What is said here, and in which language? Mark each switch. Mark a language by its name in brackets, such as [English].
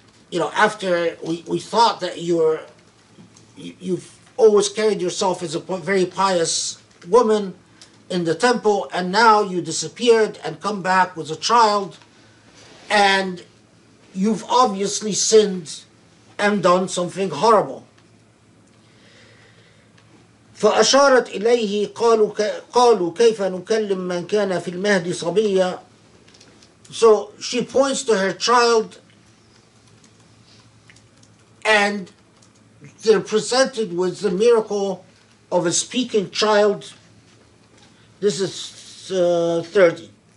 [English] You know, after we thought that you've always carried yourself as a very pious woman in the temple, and now you disappeared and come back with a child, and you've obviously sinned and done something horrible. [Arabic] فأشارت إليه قالوا كيف نكلم من كان في المهد صبية. [English] So she points to her child, and they're presented with the miracle of a speaking child. This is 30.